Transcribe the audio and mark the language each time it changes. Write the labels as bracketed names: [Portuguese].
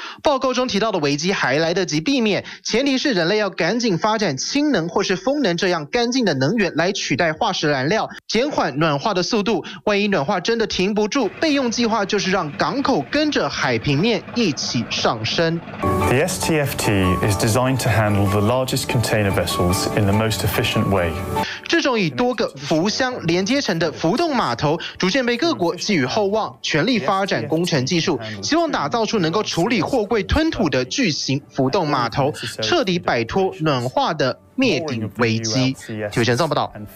[Chinese] 报告中提到的危机还来得及避免，前提是人类要赶紧发展氢能或是风能这样干净的能源来取代化石燃料，减缓暖化的速度。万一暖化真的停不住，备用计划就是让港口跟着海平面一起上升。 [English] The STFT is designed to handle the largest container vessels in the most efficient way. [Chinese] 这种以多个浮箱连接成的浮动码头，逐渐被各国寄予厚望，全力发展工程技术，希望打造出能够处理货柜吞吐的巨型浮动码头，彻底摆脱暖化的灭顶危机。体育前报道。